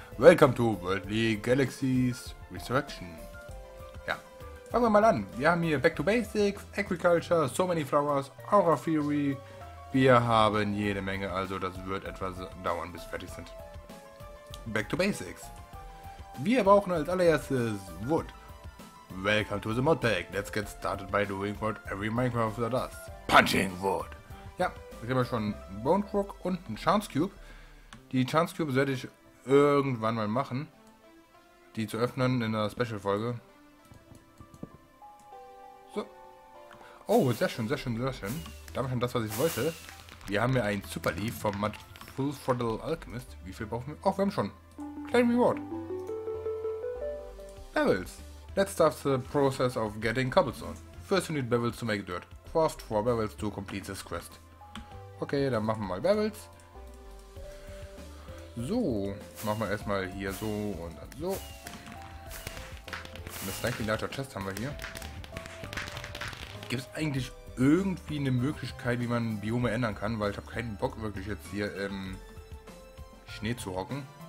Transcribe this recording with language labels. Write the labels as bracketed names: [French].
[English] Welcome to Worldly Galaxies Resurrection. [German] Ja, fangen wir mal an. Wir haben hier Back to Basics, Agriculture, So Many Flowers, Aura Theory. Wir haben jede Menge, also das wird etwas dauern, bis wir fertig sind. Back to Basics. Wir brauchen als allererstes Wood. [English] Welcome to the modpack. Let's get started by doing what every Minecrafter does. Punching Wood. [German] Ja, hier haben wir schon einen Bone Crook und einen Chance Cube. Die Chance Cube werde ich irgendwann mal machen. Die zu öffnen in einer Special Folge. So. Oh, sehr schön, sehr schön, sehr schön. Damit schon das, was ich wollte. Wir haben hier ein Super Leaf vom Mud Pools for the Alchemist. Wie viel brauchen wir? Oh, wir haben schon. Kleinen Reward. Bevels. [English] Let's start the process of getting cobblestone. First you need bevels to make dirt. Craft 4 bevels to complete this quest. [German] Okay, dann machen wir mal bevels. So, machen wir erstmal hier so und dann so. Eine slightly larger chest haben wir hier. Gibt es eigentlich irgendwie eine Möglichkeit, wie man Biome ändern kann, weil ich habe keinen Bock wirklich jetzt hier im Schnee zu hocken.